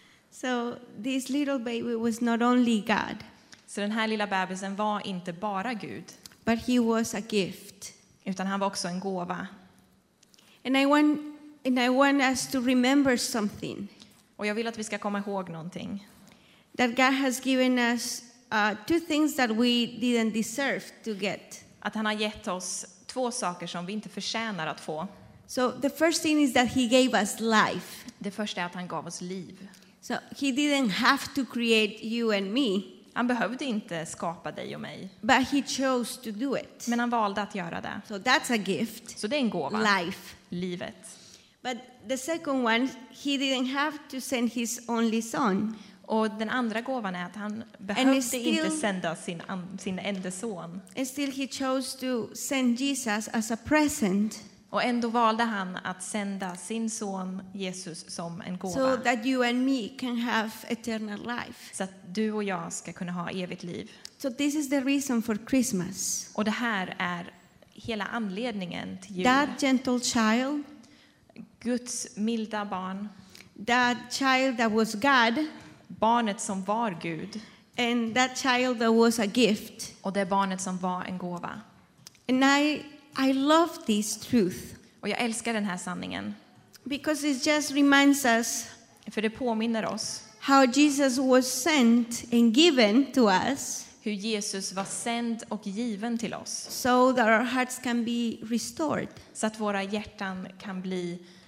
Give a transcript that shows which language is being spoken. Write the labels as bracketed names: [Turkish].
[English] So this little baby was not only God. [Swedish] Så den här lilla bebisen var inte bara Gud. [English] But he was a gift. [Swedish] Utan han var också en gåva. [English] And I want us to remember something. [Swedish] Och jag vill att vi ska komma ihåg någonting. [English] That God has given us two things that we didn't deserve to get. [Swedish] Att han har gett oss två saker som vi inte förtjänar att få. [English] So the first thing is that he gave us life. [Swedish] Det första är att han gav oss liv. [English] So he didn't have to create you and me. [Swedish] Han behövde inte skapa dig och mig. [English] But he chose to do it. [Swedish] Men han valde att göra det. [English] So that's a gift. [Swedish] Så det är en gåva. [English] Life. [Swedish] Livet. [English] But the second one, he didn't have to send his only son. [Swedish] Och den andra gåvan är att han behövde inte sända sin enda son. [English] And still he chose to send Jesus as a present. [Swedish] Och ändå valde han att sända sin son Jesus som en gåva. [English] So that you and me can have eternal life. [Swedish] Så att du och jag ska kunna ha evigt liv. [English] So this is the reason for Christmas. [Swedish] Och det här är hela anledningen till jul. [English] That gentle child. [Swedish] Guds milda barn. [English] That child that was God. [Swedish] Barnet som var Gud. [English] And that child that was a gift. [Swedish] Och det barnet som var en gåva. [English] And I love this truth. [Swedish] Och jag älskar den här sanningen. [English] Because it just reminds us. [Swedish] För det påminner oss. [English] How Jesus was sent and given to us. [Swedish] Hur Jesus var sänd och given till oss. [English] So that our hearts can be restored. [Swedish] Så att våra hjärtan kan bli